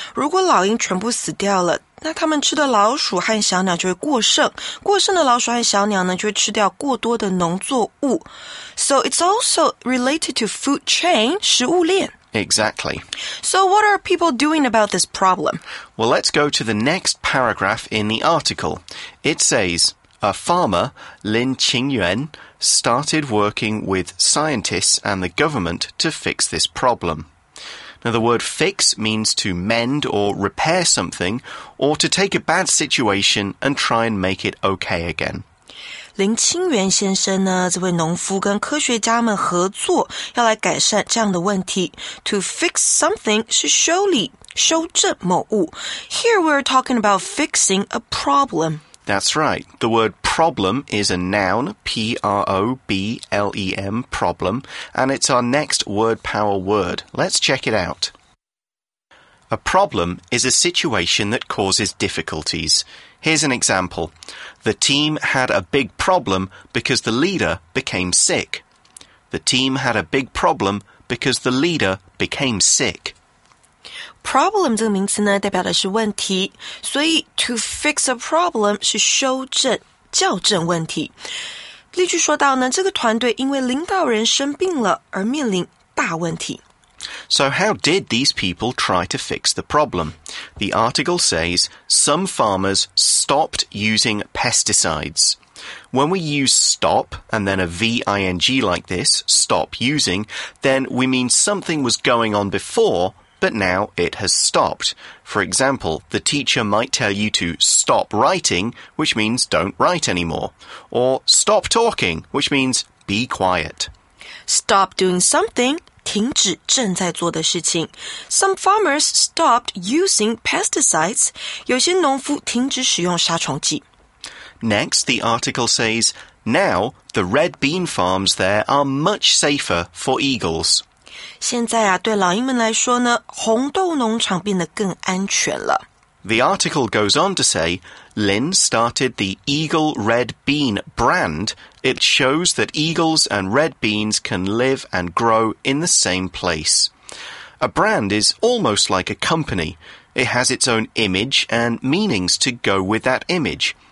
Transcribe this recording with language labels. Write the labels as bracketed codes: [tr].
[zh] 如果老鹰全部死掉了，那他们吃的老鼠和小鸟就会过剩。过剩的老鼠和小鸟呢，就会吃掉过多的农作物。 [en] So it's also related to food chain, [zh] 食物链。 [en] Exactly. So what are people doing about this problem? Well, let's go to the next paragraph in the article. It says, a farmer, Lin Qingyuan,started working with scientists and the government to fix this problem. Now, the word fix means to mend or repair something, or to take a bad situation and try and make it okay again. [zh] 林清源先生呢，这位农夫跟科学家们合作，要来改善这样的问题。 [en] To fix something [zh] 是修理、修正某物。 [en] Here we're talking about fixing a problem. That's right. The word problem is a noun, P-R-O-B-L-E-M, problem, and it's our next word power word. Let's check it out. A problem is a situation that causes difficulties. Here's an example. The team had a big problem because the leader became sick. The team had a big problem because the leader became sick. [zh] Problem 这个名词呢代表的是问题，所以 [en] to fix a problem [zh] 是修正、校正问题。例句说到呢，这个团队因为领导人生病了而面临大问题。 [en] So how did these people try to fix the problem? The article says, some farmers stopped using pesticides. When we use stop and then a V-I-N-G like this, stop using, then we mean something was going on before,But now it has stopped. For example, the teacher might tell you to stop writing, which means don't write anymore. Or stop talking, which means be quiet. Stop doing something, [zh] 停止正在做的事情。 [en] Some farmers stopped using pesticides. [zh] 有些农夫停止使用杀虫剂。 [en] Next, the article says, now the red bean farms there are much safer for eagles. [zh] 现在啊，对老鹰们来说呢，红豆农场变得更安全了。 [en] The article goes on to say, Lin started the Eagle Red Bean brand. It shows that eagles and red beans can live and grow in the same place. A brand is almost like a company. It has its own image and meanings to go with that image.